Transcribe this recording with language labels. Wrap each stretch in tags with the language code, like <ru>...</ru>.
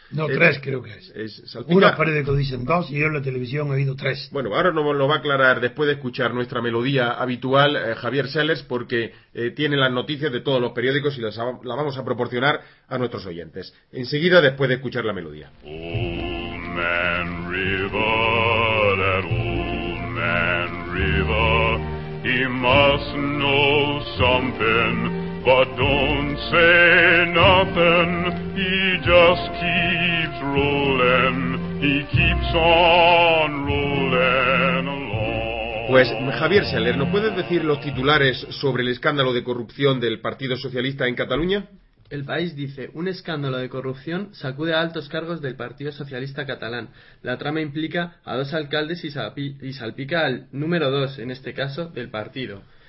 <es>No, 3 creo que es Salpicar. Unos periódicos dicen 2 y yo en la televisión he oído 3. Bueno, ahora nos lo va a aclarar, después de escuchar nuestra melodía habitual, Javier Sellers, porque tiene las noticias de todos los periódicos y las vamos a proporcionar a nuestros oyentes. Enseguida, después de escuchar la melodía.</es> <en>Old Man River, that old man river, he must know something, but don't say nothing. He just keeps rolling, he keeps on rolling along.</en> <es>Pues, Javier Saler, ¿nos puedes decir los titulares sobre el escándalo de corrupción del Partido Socialista en Cataluña? El País dice: un escándalo de corrupción sacude a altos cargos del Partido Socialista catalán. La trama implica a dos alcaldes y salpica al número dos, en este caso, del partido.</es>